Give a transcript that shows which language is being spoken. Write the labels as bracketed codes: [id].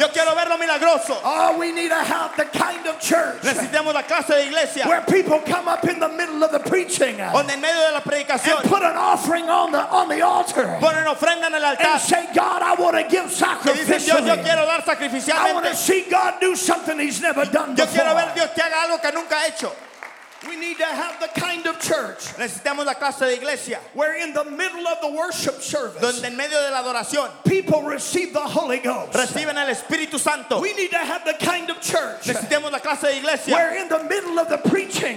[es] Yo quiero ver lo milagroso. [en] Oh, we need to have the kind of church [es] necesitamos la clase de iglesia [en] where people come up in the middle of the preaching [es] donde en medio de la predicación [en] and put an offering on the altar [es] ponen ofrenda en el altar [en] and say, God, I want to give sacrifice. [es] Yo quiero dar sacrificialmente. [en] I want to see God do something He's never done before. [es] Yo quiero ver Dios que haga algo que nunca ha hecho. [en] We need to have the kind of church. [es] Necesitamos la clase de iglesia. [en] Where in the middle of the worship service. [es] Donde en medio de la adoración. [en] People receive the Holy Ghost. [es] Reciben el Espíritu Santo. [en] We need to have the kind of church. [es] Necesitamos la clase de iglesia. [en] Where in the middle of the preaching.